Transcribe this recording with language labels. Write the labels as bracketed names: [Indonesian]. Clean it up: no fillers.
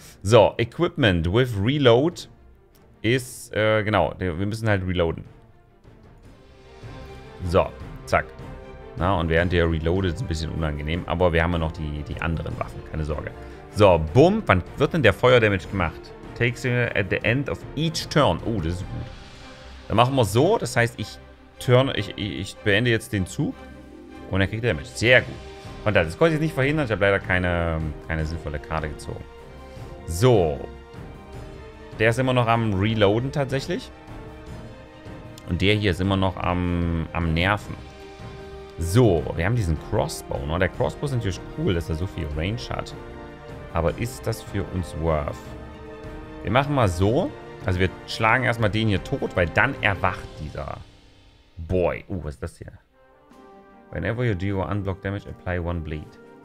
[German] So, Equipment with Reload ist, genau, wir müssen halt reloaden. So, zack. Na, und während der reloadet, ist ein bisschen unangenehm, aber wir haben ja noch die anderen Waffen, keine Sorge. So, bumm, wann wird denn der Feuerdamage gemacht? [English] Takes it at the end of each turn. [German] Oh, das ist gut. Dann machen wir so. Das heißt, ich beende jetzt den Zug. Und er kriegt Damage. Sehr gut. Und das konnte ich nicht verhindern. Ich habe leider keine sinnvolle Karte gezogen. So. Der ist immer noch am Reloaden tatsächlich. Und der hier ist immer noch am Nerven. So. Wir haben diesen Crossbow. Ne? Der Crossbow ist natürlich cool, dass er so viel Range hat. Aber ist das für uns worth? Wir machen mal so. Also wir schlagen erstmal den hier tot, weil dann erwacht dieser Boy. Was ist das hier? [English] Whenever you deal unblocked damage, apply one bleed.